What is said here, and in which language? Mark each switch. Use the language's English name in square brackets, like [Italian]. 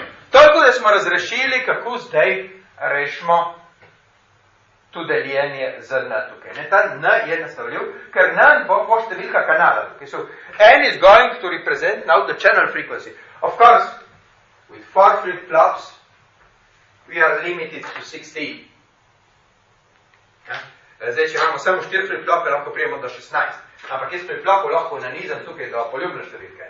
[Slovenian] Toliko, da smo razrešili, kako zdaj rešimo to deljenje z N tukaj. Ne? Ta N je nastavljiv, ker N bo številka kanala. [English] Okay? So, N is going to represent now the channel frequency. Of course, with 4 flip-flops, we are limited to 16. [Slovenian] Zdaj, če imamo samo 4 flip-flope, lahko prijemo do 16. Ampak jaz flip-flopu lahko nanizam tukaj do poljubne številke.